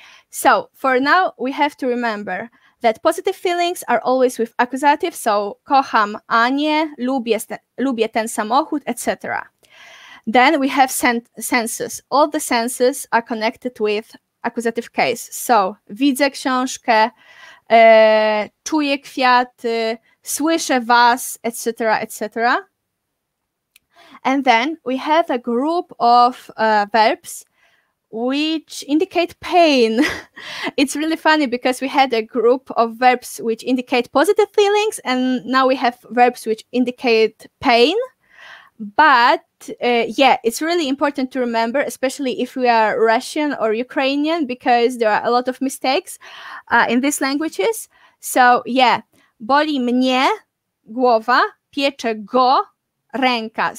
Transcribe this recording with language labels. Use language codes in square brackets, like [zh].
[en] So for now, we have to remember that positive feelings are always with accusative, so [pl] kocham Anię, lubię ten samochód, [en] etc. Then we have senses. All the senses are connected with accusative case. So [pl] widzę książkę, czuję kwiaty, słyszę was, [en] etc., etc. And then we have a group of verbs which indicate pain. It's really funny because we had a group of verbs which indicate positive feelings, and now we have verbs which indicate pain. But yeah, it's really important to remember, especially if we are Russian or Ukrainian, because there are a lot of mistakes in these languages. [pl] So yeah, boli mnie głowa, piecze go ręka.